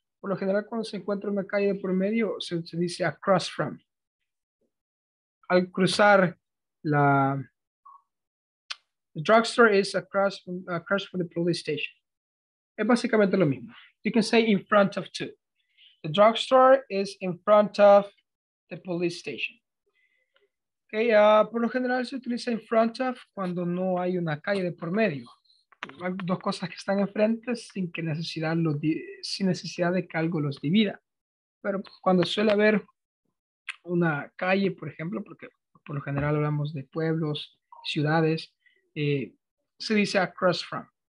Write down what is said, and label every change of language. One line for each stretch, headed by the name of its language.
Spanish: Por lo general, cuando se encuentra una calle de por medio, se dice across from. Al cruzar la...
English: The drugstore is across from the police station.
Spanish: Es básicamente lo mismo.
English: You can say in front of too. The drugstore is in front of the police station.
Spanish: Okay, por lo general, se utiliza in front of cuando no hay una calle de por medio. Hay dos cosas que están enfrente sin que necesidad los sin necesidad de que algo los divida. Pero cuando suele haber una calle, por ejemplo, porque por lo general hablamos de pueblos, ciudades, se dice across from.